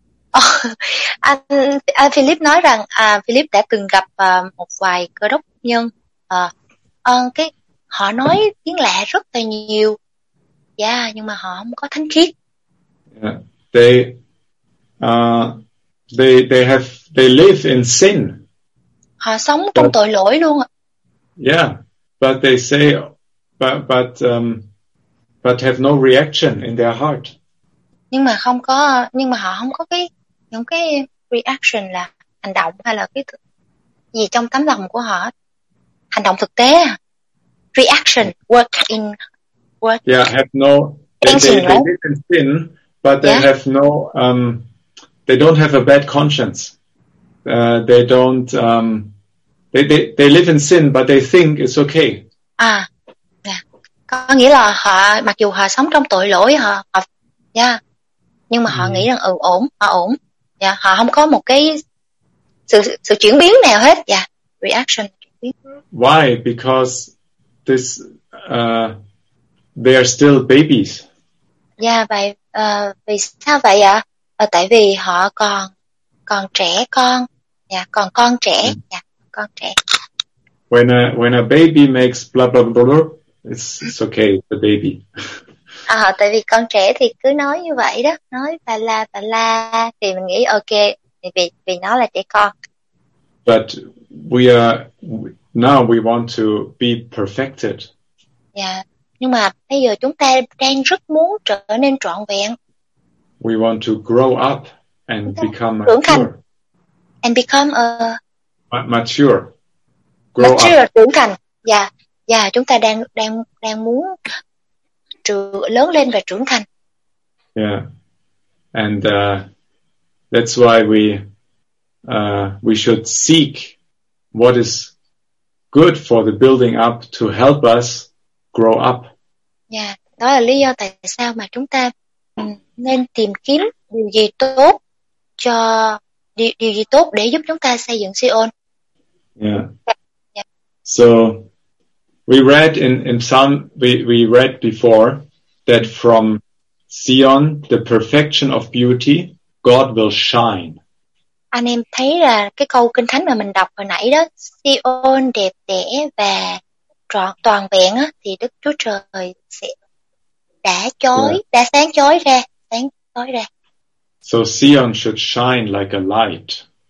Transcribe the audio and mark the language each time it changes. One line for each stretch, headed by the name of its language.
Vietnamese: Anh Philip nói rằng Philip đã từng gặp một vài cơ đốc nhân cái họ nói tiếng lạ rất là nhiều. Yeah, nhưng mà họ không có thánh khiết. Yeah.
English: They live in sin.
Vietnamese: Họ sống trong tội lỗi luôn ạ.
English: Yeah, but they say but have no reaction in their heart.
Vietnamese: Nhưng mà không có, nhưng mà họ không có cái những cái reaction là hành động hay là cái gì trong tấm lòng của họ. Hành động thực tế.
English: Reaction, work. Yeah, have no they live in sin, but they have no they don't have a bad conscience. They live in sin, but they think it's okay.
Vietnamese: À, có nghĩa là họ mặc dù họ sống trong tội lỗi họ nhưng mà họ nghĩ rằng ổn. Yeah, họ không có một cái sự chuyển biến nào hết.
English: Yeah, reaction. Why? Because this they are still babies.
Vietnamese: Yeah, vậy vì sao vậy ạ? Tại vì họ còn trẻ con. Yeah, còn con trẻ. Mm. Yeah, con trẻ.
English: When a baby makes blah blah blah, it's okay, the baby.
Vietnamese: À, tại vì con trẻ thì cứ nói như vậy đó, nói bà la thì mình nghĩ ok, vì nó là trẻ con.
English: But we want to be perfected. Yeah.
Vietnamese: Nhưng mà bây giờ chúng ta đang rất muốn trở nên trọn vẹn.
English: We want to grow up and become
Vietnamese: trưởng thành.
English: And become a mature. Grow mature up.
Vietnamese: Trưởng thành.
English: Yeah.
Vietnamese: Yeah, chúng ta đang muốn lớn lên và trưởng thành. Yeah.
English: And that's why we should seek what is good for the building up to help us grow up.
Vietnamese: Yeah, đó là lý do tại sao mà chúng ta nên tìm kiếm điều gì tốt cho điều gì tốt để giúp chúng ta xây dựng Sion. Yeah. Yeah.
English: So we read in Psalm we read before that from Sion, the perfection of beauty, God will shine.
Vietnamese: Anh em thấy là cái câu kinh thánh mà mình đọc hồi nãy đó, Sion đẹp đẽ và toàn vẹn á, thì Đức Chúa Trời sẽ đã sáng chói ra, sáng chói ra.
English: So Sion should shine like a light.